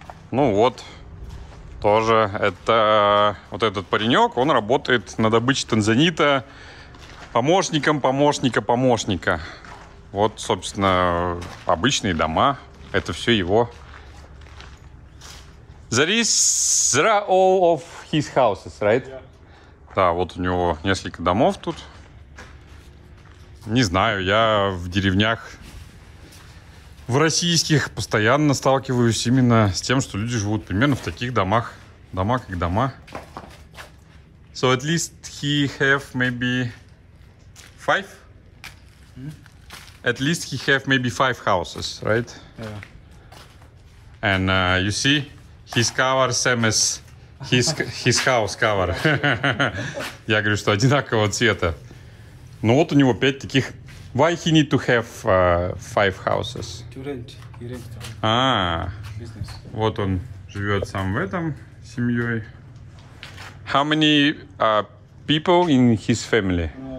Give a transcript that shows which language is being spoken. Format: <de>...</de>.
<ru>Ну вот, тоже это вот этот паренек, он работает на добыче танзанита помощником помощника помощника. Вот, собственно, обычные дома, это все его.</ru> <en>There is all of his houses, right? Yeah.</en> <ru>Да, вот у него несколько домов тут. Не знаю, я в деревнях, в российских, постоянно сталкиваюсь именно с тем, что люди живут примерно в таких домах. Дома как дома.</ru> <en>So at least he have maybe five? At least he have maybe five houses, right? Yeah. And you see, his cover same as his house cover.</en> <ru>Я говорю, что одинакового цвета. Ну вот у него 5 таких.</ru> <en>Why he need to have five houses? To rent. He rent them. А, business.</en> <ru>Вот он живет сам в этом с семьей.</ru> <en>How many people in his family?</en>